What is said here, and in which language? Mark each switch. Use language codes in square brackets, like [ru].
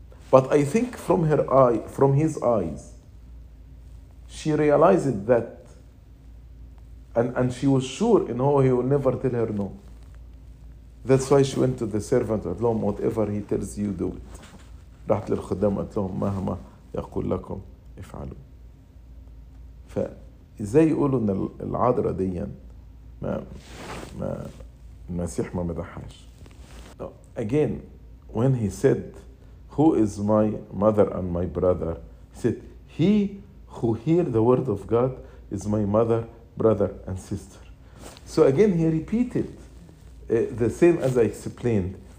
[en] But I think from her eye, from his eyes, she realized that and she was sure in he will never tell her no. That's why she went to the servant and told him, whatever he tells you, do it. [ar] رحت للخدام قلت لهم مهما يقول لكم افعلوا. فازاي يقولوا ان العذراء دي ما المسيح ما مدحهاش. [en] Again, when he said, who is my mother and my brother? He said, he who hear the word of God is my mother, brother, and sister. So again, he repeated the same as I explained.